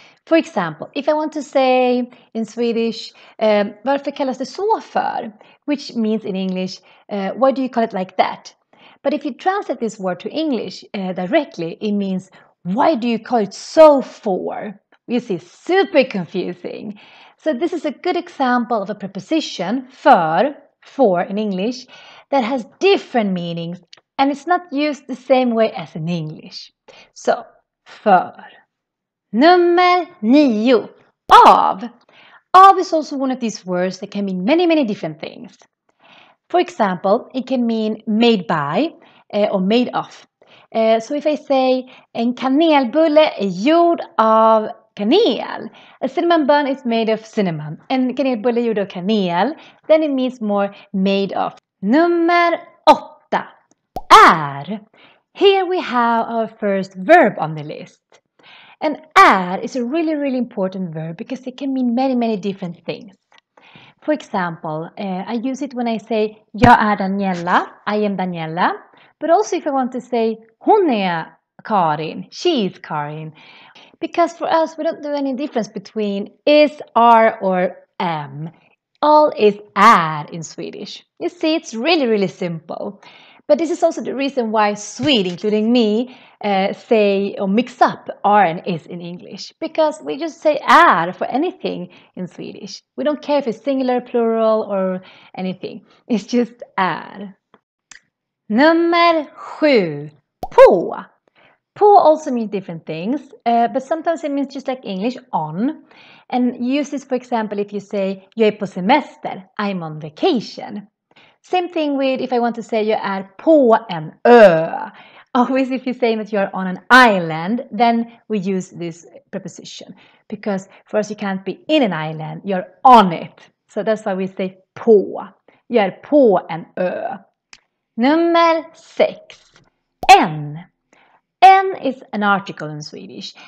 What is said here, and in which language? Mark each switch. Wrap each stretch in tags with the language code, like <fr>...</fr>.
<en>For example, if I want to say in Swedish,</en> <sv>varför kallas det så för?</sv> <en>Which means in English, why do you call it like that? But if you translate this word to English directly, it means, why do you call it so for? You see, super confusing. So this is a good example of a preposition, for in English, that has different meanings, and it's not used the same way as in English. So, för. Number 9, av. Av is also one of these words that can mean many, many different things. For example, it can mean made by or made of. So if I say,</en> <sv>en kanelbulle är gjord av kanel.</sv> <en>A cinnamon bun is made of cinnamon.</en> <sv>En kanelbulle är gjord av kanel.</sv> <en>Then it means more made of. Number 8, är. Here we have our first verb on the list. And är is a really, really important verb because it can mean many, many different things. For example, I use it when I say</en> <sv>jag är Daniela,</sv> <en>I am Daniela. But also if I want to say</en> <sv>hon är Karin,</sv> <en>she is Karin. Because for us, we don't do any difference between is, are, or am. All is är in Swedish. You see, it's really, really simple. But this is also the reason why Swedes, including me, say or mix up R and is in English. Because we just say R for anything in Swedish. We don't care if it's singular, plural or anything. It's just R. Number 7. På. På also means different things. But sometimes it means just like English, on. And use this, for example, if you say,</en> <sv>jag är på semester,</sv> <en>I'm on vacation. Same thing with if I want to say you are</en> <sv>på en ö.</sv> <en>Always if you're saying that you're on an island, then we use this preposition. Because for us you can't be in an island, you're on it. So that's why we say på. You are</en> <sv>på en ö.</sv> <en>Number 6. En. En is an article in Swedish.</en>